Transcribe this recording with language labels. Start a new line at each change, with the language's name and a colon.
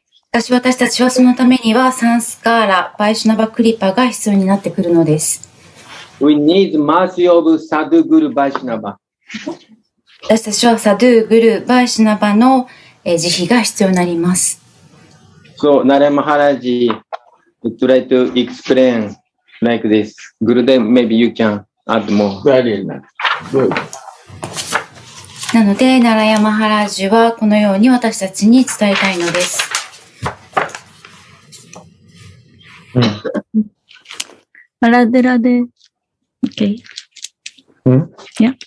Japanese: 私たちはそのためにはサンスカーラ、バイシナバクリパが必要になってくるのです。
English: We need mercy of Sadhguru Vaishnava.
Japanese: 私たちはサドゥグル、バイシナバの慈悲が必要になります。
English: So, Narayana Maharaj tried to explain like this. Gurudev, maybe you can add more. Very nice. Good.
Japanese: なので、ナラヤマハラジはこのように私たちに伝えたいのです。マラデラデ。OK。 Yeah.